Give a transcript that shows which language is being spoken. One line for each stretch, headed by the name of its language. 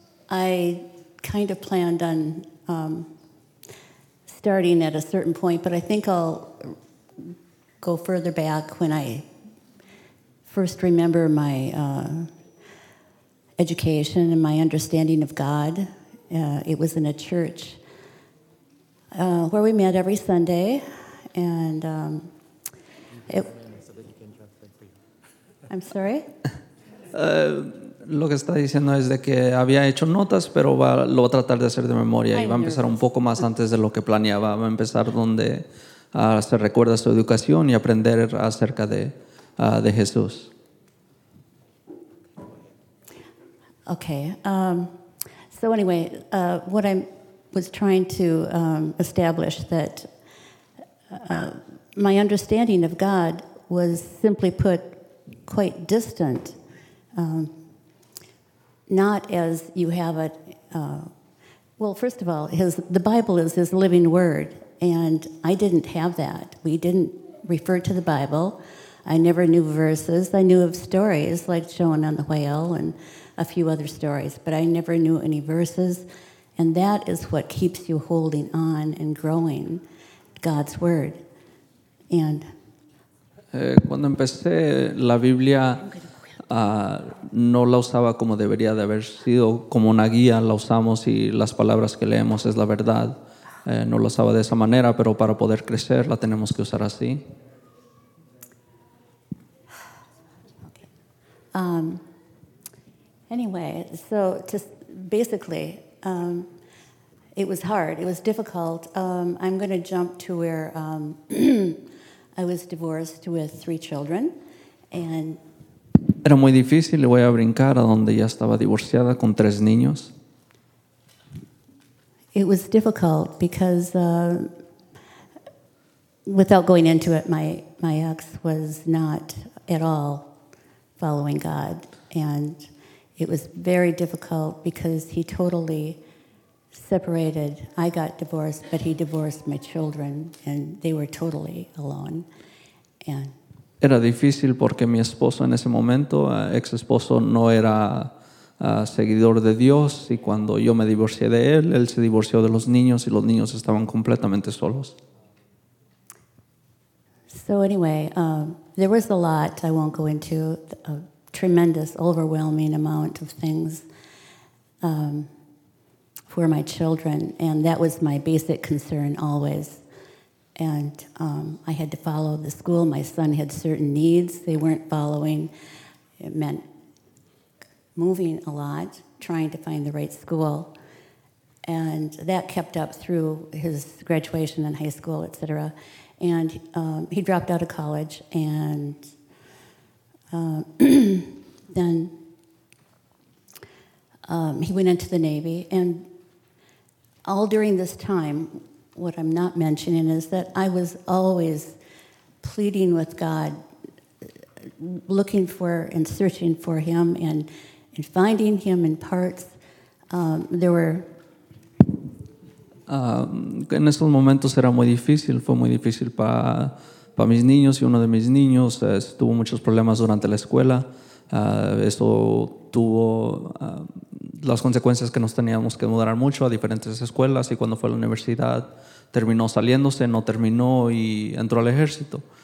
English: I kind of planned on starting at a certain point, but I think I'll go further back when I first remember my education and my understanding of God. It was in a church where we met every Sunday, and I'm sorry.
Spanish: Lo que está diciendo es de que había hecho notas, pero lo va a tratar de hacer de memoria.
English: I'm
Spanish: y va a empezar un poco más antes de lo que planeaba. Va a empezar donde se recuerda su educación y aprender acerca de Jesús.
English: Okay. So anyway, was trying to establish that my understanding of God was simply put quite distant, not as you have it. Well, first of all, the Bible is his living word, and I didn't have that. We didn't refer to the Bible. I never knew verses. I knew of stories like Jonah and the whale and a few other stories, but I never knew any verses. And that is what keeps you holding on and growing God's word. And
Spanish: cuando empecé la Biblia, no la usaba como debería de haber sido, como una guía la usamos y las palabras que leemos es la verdad. No la usaba de esa manera, pero para poder crecer la tenemos que usar así.
English: Anyway, so just basically, it was hard. It was difficult. I'm going to jump to where I was divorced with three children, and
Spanish: era muy difícil. Le voy a brincar a donde ya estaba divorciada con tres niños.
English: It was difficult because, without going into it, my ex was not at all following God, and it was very difficult because he totally separated. I got divorced, but he divorced my children, and they were totally alone. And
Spanish: era difícil porque mi esposo en ese momento, ex esposo, no era seguidor de Dios, y cuando yo me divorcié de él, él se divorció de los niños, y los niños estaban completamente solos.
English: So anyway, there was a lot I won't go into, a tremendous, overwhelming amount of things for my children, and that was my basic concern always. And I had to follow the school. My son had certain needs they weren't following. It meant moving a lot, trying to find the right school. And that kept up through his graduation in high school, et cetera. And he dropped out of college, and then he went into the Navy. And all during this time, what I'm not mentioning is that I was always pleading with God, looking for and searching for him, and finding him in parts. There were
Spanish: En esos momentos era muy difícil, fue muy difícil para mis niños, y uno de mis niños tuvo muchos problemas durante la escuela. Eso tuvo las consecuencias que nos teníamos que mudar mucho a diferentes escuelas, y cuando fue a la universidad terminó saliéndose, no terminó y entró al ejército.